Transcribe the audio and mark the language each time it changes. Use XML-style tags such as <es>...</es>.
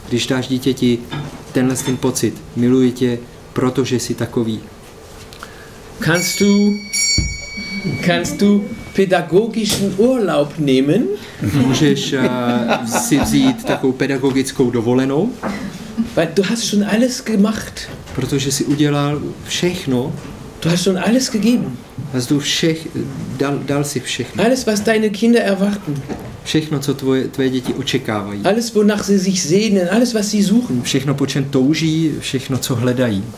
<cs>Když dáš dítěti tenhle ten pocit, miluji tě, protože jsi takový.</cs> <de>Kannst du pedagogischen Urlaub nehmen?</de> <cs>Můžeš si vzít takovou pedagogickou dovolenou?</cs> <de>Weil du hast schon alles gemacht.</de> <cs>Protože jsi udělal všechno.</cs> <de>Du hast schon alles gegeben.</de> <cs>Hast du všech, dal si všechno.</cs> <de>Alles, was deine Kinder erwarten.</de> <cs>Všechno, co tvoje děti očekávají.</cs> <de>Alles, wonach sie sich sehnen, alles, was sie suchen.</de> <cs>Všechno, po čem touží, všechno, co hledají.</cs>